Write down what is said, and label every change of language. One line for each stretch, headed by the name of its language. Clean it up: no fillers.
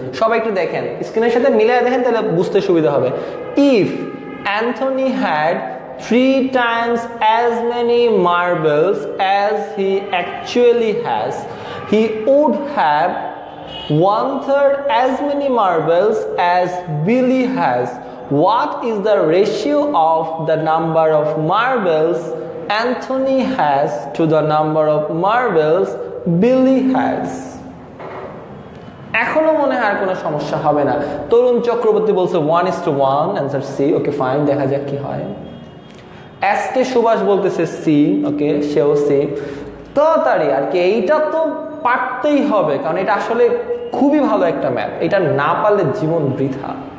Bangla: সবাই একটু দেখেন, স্ক্রিনের সাথে মিলিয়ে দেখেন, তাহলে বুঝতে সুবিধা হবে।
English: If Anthony had three times as many marbles as he actually has, he would have one third as many marbles as Billy has. What is the ratio of the number of marbles Anthony has to the number of marbles Billy has?
Bangla: এখনো মনে হয় কোনো সমস্যা হবে না। তরুণ চক্রবর্তী বলছে 1:1,
English: answer C. Okay, fine,
Bangla: দেখা যাক কি হয়। এস কে সুভাষ বলতেছে সি, ওকে, সেও সি। তাড়াতাড়ি আর কি, এইটা তো পারতেই হবে, কারণ এটা আসলে খুবই ভালো একটা ম্যাপ, এটা না পারলে জীবন বৃথা।